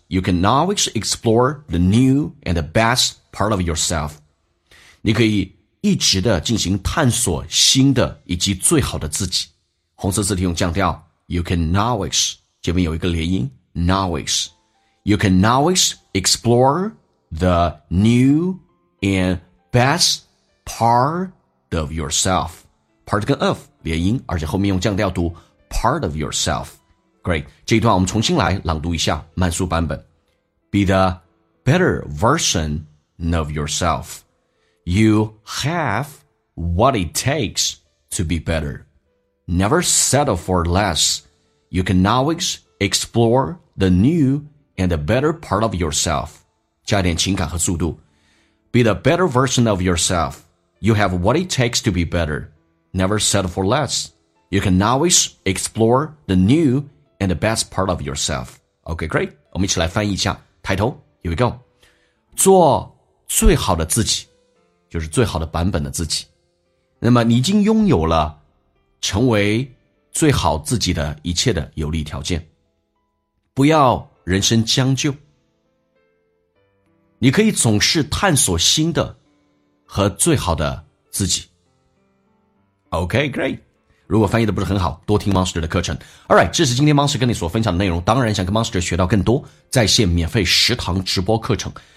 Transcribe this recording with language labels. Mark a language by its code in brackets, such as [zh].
[en] You can always explore the new and the best part of yourself. [zh] 你可以一直的进行探索新的以及最好的自己。红色字体用降调。 [en] You can always, [zh] 这边有一个连音 [en] ,always. You can always explore the new and best part of yourself. [zh] Part 跟 of 连音，而且后面用降调读 [en] part of yourself. Great. [zh] 这一段我们重新来朗读一下慢速版本。 [en] Be the better version of yourself. You have what it takes to be better. Never settle for less. You can always explore the newand a better part of yourself. [zh] 加点情感和速度。 [en] Be the better version of yourself. You have what it takes to be better. Never settle for less. You can always explore the new and the best part of yourself. Okay, great. [zh] 我们一起来翻译一下。抬头 [en] here we go. [zh] 做最好的自己就是最好的版本的自己。那么你已经拥有了成为最好自己的一切的有利条件。不要人生将就你可以总是探索新的和最好的自己 OK great 如果翻译的不是很好多听 Monster 的课程 Alright 这是今天 Monster 跟你所分享的内容当然想跟 Monster 学到更多在线免费十堂直播课程